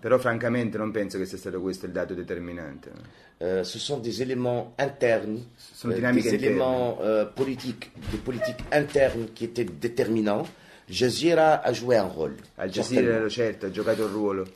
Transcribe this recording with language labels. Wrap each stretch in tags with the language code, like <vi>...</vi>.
<it>Però francamente non penso che sia stato questo il dato determinante.</it> <fr>Ce sont des éléments internes,</fr> <it>sono dinamiche</it> <fr>des</fr> <it>interne.</it> <fr>Éléments politiques, des politiques internes qui étaient déterminants. Jazeera a joué un rôle.</fr> <it>Al Jazeera, certo, ha giocato un ruolo.</it>